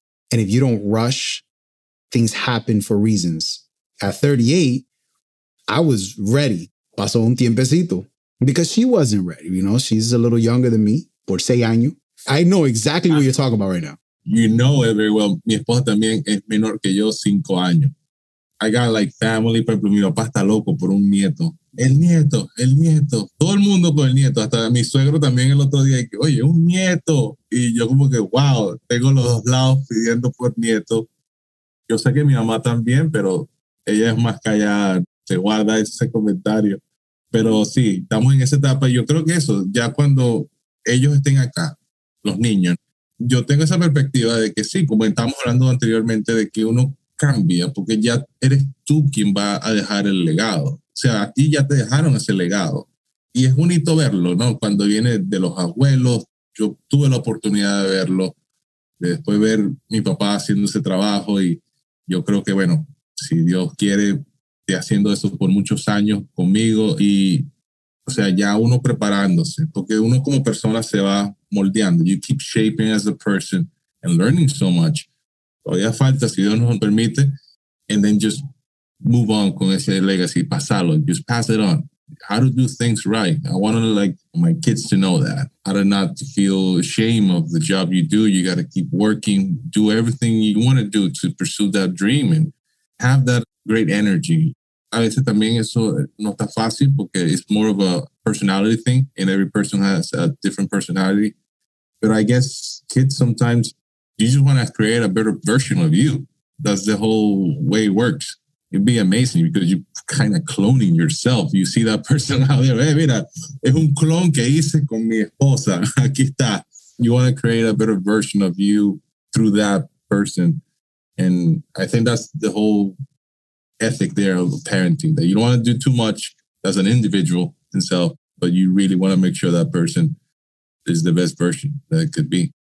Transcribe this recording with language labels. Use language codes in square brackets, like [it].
[en] And if you don't rush, things happen for reasons. At 38, I was ready. [es] Pasó un tiempecito. [en] Because she wasn't ready, you know? She's a little younger than me, [es] por 6 años. [en] I know exactly what you're talking about right now. you know it very well. [es] Mi esposa también es menor que yo, 5 años. [en] I got like family, [es] por ejemplo, mi papá está loco por un nieto. El nieto. Todo el mundo con el nieto. Hasta mi suegro también el otro día, oye, un nieto. Y yo como que, wow, tengo los dos lados pidiendo por nieto. Yo sé que mi mamá también, pero ella es más callada, se guarda ese comentario. Pero sí, estamos en esa etapa. Yo creo que eso, ya cuando ellos estén acá, los niños, yo tengo esa perspectiva de que sí, como estábamos hablando anteriormente, de que uno cambia, porque ya eres tú quien va a dejar el legado. O sea, aquí ya te dejaron ese legado. Y es bonito verlo, ¿no? Cuando viene de los abuelos, yo tuve la oportunidad de verlo, de después ver mi papá haciendo ese trabajo, y yo creo que, bueno, si Dios quiere, esté haciendo eso por muchos años conmigo, y, o sea, ya uno preparándose, porque uno como persona se va moldeando. [en] You keep shaping as a person and learning so much. [es] Todavía falta, si Dios nos lo permite, [en] and then just move on [es] con ese [en] legacy, pasarlo, just pass it on. How to do things right. I want to like my kids to know that. How to not feel shame of the job you do. You got to keep working, do everything you want to do to pursue that dream and have that great energy. [es] A veces también eso no está fácil porque [en] it's more of a personality thing and every person has a different personality. But I guess kids sometimes, you just want to create a better version of you. That's the whole way it works. It'd be amazing because you're kind of cloning yourself. You see that person out there. [es] Hey, mira, es un clon que hice con mi esposa. Aquí está. [en] You want to create a better version of you through that person. And I think that's the whole ethic there of parenting, that you don't want to do too much as an individual himself, but you really want to make sure that person is the best version that it could be.